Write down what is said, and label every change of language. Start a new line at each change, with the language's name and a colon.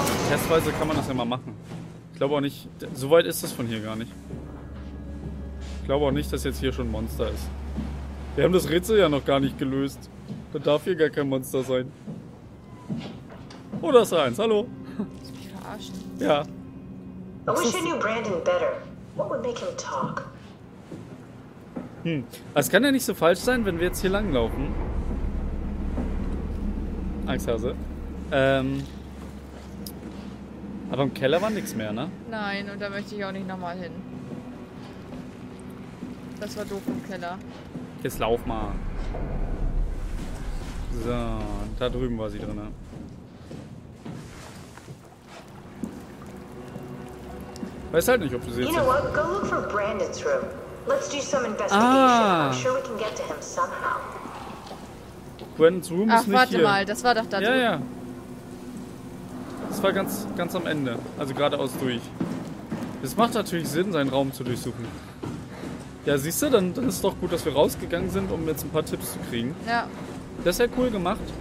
German: Testweise kann man das ja mal machen. Ich glaube auch nicht, so weit ist das von hier gar nicht. Ich glaube auch nicht, dass jetzt hier schon ein Monster ist. Wir haben das Rätsel ja noch gar nicht gelöst. Da darf hier gar kein Monster sein. Oh, da ist eins. Hallo. Ja.
English: I wish I knew Brandon better. What would make him talk?
German: Es kann ja nicht so falsch sein, wenn wir jetzt hier langlaufen. Angsthase. Aber im Keller war nichts mehr, ne? Nein, und da möchte ich auch nicht nochmal hin. Das war doof im Keller. Jetzt lauf mal. So, da drüben war sie drin. Weiß halt nicht, ob du sie jetzt...
English: You know what? Go look for Brandon's room. Let's do some investigation. Ah. I'm sure we can get to him somehow. Brandon's room
German: ist hier. Ach, warte mal, das war doch da drüben. Ja. Das war ganz, ganz am Ende. Also geradeaus durch. Es macht natürlich Sinn, seinen Raum zu durchsuchen. Ja, siehst du, dann ist es doch gut, dass wir rausgegangen sind, um jetzt ein paar Tipps zu kriegen. Ja. Das ist ja cool gemacht.